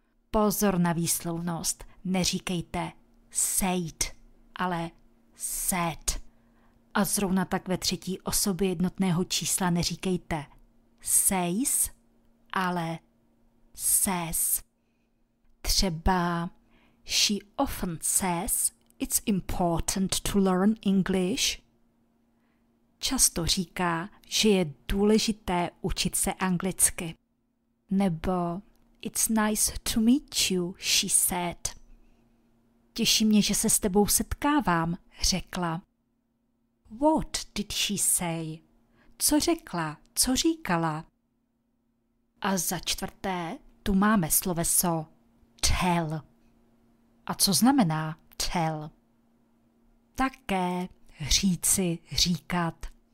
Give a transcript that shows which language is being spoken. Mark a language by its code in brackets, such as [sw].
[cs] Pozor na výslovnost, neříkejte said, ale said. A zrovna tak ve třetí osobě jednotného čísla neříkejte says, ale says. Třeba [en] she often says it's important to learn English. [cs] Často říká, že je důležité učit se anglicky. Nebo [en] it's nice to meet you, she said. [cs] Těší mě, že se s tebou setkávám, řekla. [en] What did she say? [cs] Co řekla? Co říkala? A za čtvrté, tu máme sloveso tell. A co znamená tell? Také říci, říkat.